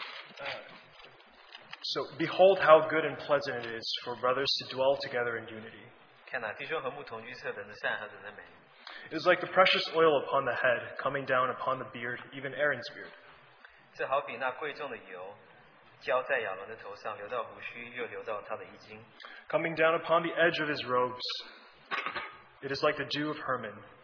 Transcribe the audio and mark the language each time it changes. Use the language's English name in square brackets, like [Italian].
[Chinese] 最近诗篇133篇一直在我的心里。 [English] So behold how good and pleasant it is for brothers to dwell together in unity. [Chinese] 看哪，弟兄和睦同居是何等的善，何等的美。 [English] It is like the precious oil upon the head coming down upon the beard, even Aaron's beard. [Chinese] 这好比那贵重的油浇在亚伦的头上，流到胡须，又流到他的衣襟。 [English] Coming down upon the edge of his robes, it is like the dew of Hermon.